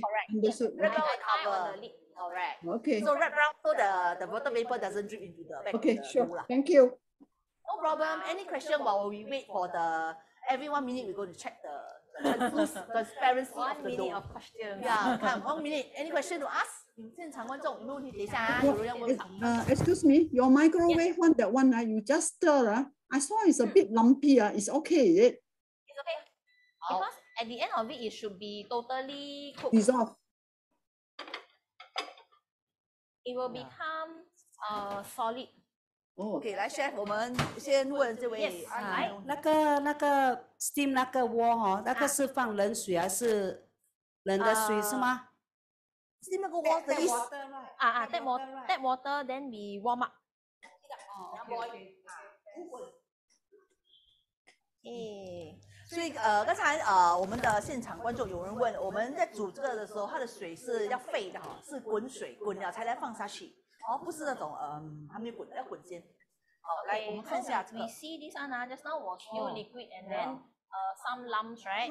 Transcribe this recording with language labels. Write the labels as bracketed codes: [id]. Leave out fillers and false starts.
[en] Correct. Wrap round the cover. Alright. Okay. So wrap around so the water vapor doesn't drip into the back. Okay. The sure. Bowl. Thank you. No problem. Any question while we wait for the every 1 minute we go to check the transparency of the dough. 1 minute of questions. Yeah. Come 1 minute. Any question to ask? [zh] 现场观众有没有问题？等一下啊，有人要问。 [en] Excuse me. Your microwave one that one you just stir I saw it's a bit lumpy It's okay, is it? It's okay. Because at the end of it should be totally cooked. Dissolve. It will become solid. [zh] Okay, 来 chef， 我们先问这位。 [en] Yes, [zh] 来。那个 steam 那个锅哈，那个是放冷水还是冷的水是吗？Steam 那个锅的意思。 [en] Take water, then we warm up. Oh, okay. [zh] 所以刚才我们的现场观众有人问，我们在煮这个的时候，它的水是要沸的哈，是滚水滚了才来放下去，哦，不是那种还没滚，要滚先。好，来我们看一下这个。 [en] We see this one, just now was new liquid and then some lumps, right?